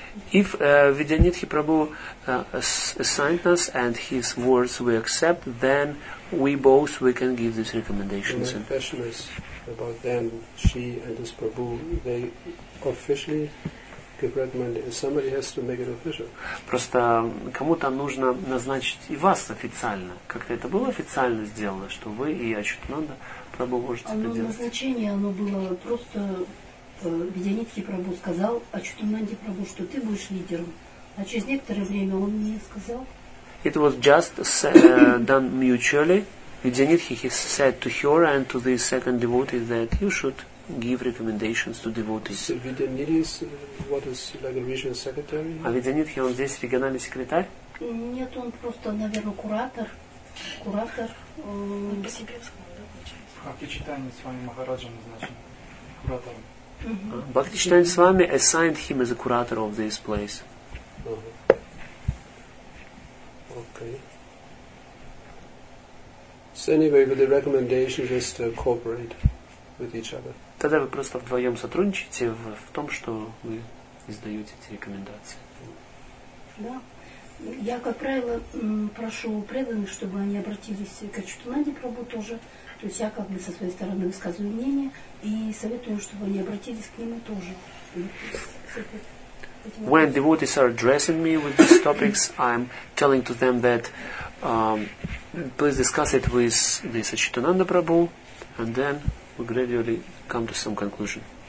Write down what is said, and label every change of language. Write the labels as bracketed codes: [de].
[en] If Vidyanidhi Prabhu assigned us and his words we accept, then we both we can give these recommendations. And the question is about them, she and this Prabhu, they officially give recommendations. Somebody has to make it official. [ru] Просто кому-то нужно назначить и вас официально. Как-то это было официально сделано, что вы и Ачютананда Прабху можете оно это делать? Назначение, оно было просто Видянитхи Прабху сказал Ачютананде Прабху, что ты будешь лидером. А через некоторое время он мне сказал. [en] It was just done mutually. Vidyanidhi he said to her and to the second devotee that you should give recommendations to devotees. So Vidyanidhi is what is like a regional secretary? [ru] А Vidyanidhi, он здесь региональный секретарь? Нет, он просто, наверное, куратор. Куратор. Он по сибирскому, да, получается? Бхакти Чайтанья Свами Махараджа назначен куратором. [en] Бхакти Чайтанья Свами assigned him as a curator of this place. Okay. So anyway, with the recommendation, just to cooperate with each other. [ru] Тогда вы просто вдвоем сотрудничаете в том, что вы издаете эти рекомендации. Да. Я, как правило, прошу преданных, чтобы они обратились к Ачютананде Прабху тоже. То есть я как бы со своей стороны высказываю мнение и советую, чтобы они обратились к нему тоже. [en] When devotees are addressing me with these topics, I'm telling to them that please discuss it with this Ачютананда Прабху, and then we gradually come to some conclusion.